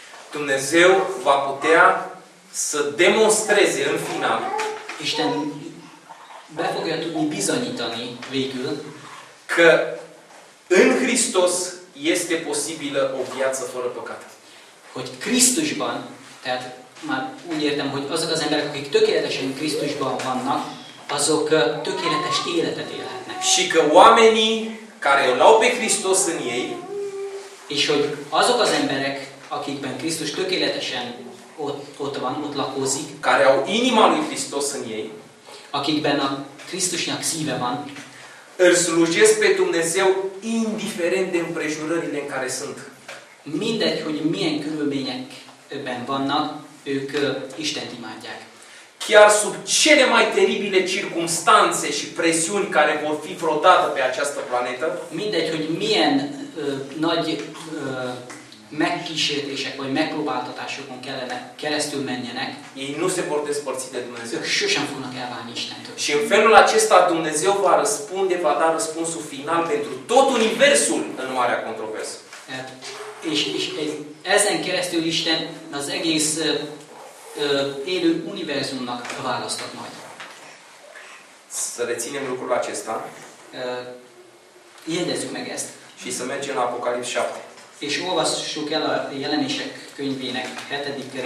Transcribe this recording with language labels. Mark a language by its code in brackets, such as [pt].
[ro] Dumnezeu va putea să demonstreze în final. [hu] Isten be fogja tudni bizonyítani végül, [ro] că în Hristos este posibilă o viață fără păcat. [hu] Hogy Krisztusban, tehát már úgy értem, hogy azok az emberek, akik tökéletesen Krisztusban vannak, azok tökéletes életet élhetnek. [ro] Și că oamenii care îl au pe Hristos în ei, [hu] és hogy azok az emberek, akikben Krisztus tökéletesen ott van, ott lakózik, [ro] care au inima lui Hristos în ei, [hu] akikben a Krisztusnak szíve van, [ro] îl slujesc pe Dumnezeu indiferent de împrejurările în care sunt. [hu] Mindegy, hogy milyen körülményekben vannak, ők Istent imádják. [ro] Chiar sub cele mai teribile circumstanțe și presiuni care vor fi vreodată pe această planetă, [hu] mindegy, hogy milyen nagy megkísértések vagy megpróbáltatásokon kellene keresztül menjenek, [ro] ei nu se vor despărți de Dumnezeu. [hu] Ők sosem fognak elválni Istentől. [ro] Și în felul acesta Dumnezeu va răspunde, va da răspunsul final pentru tot Universul în marea controversă. [hu] És ezen keresztül Isten az egész élő univerzumnak választat majd. [ro] Să reținem lucrul acesta. [hu] Jegyezzük meg ezt. [ro] Și să mergem la Apocalipsz 7. [hu] És olvassuk el a Jelenések könyvének 7.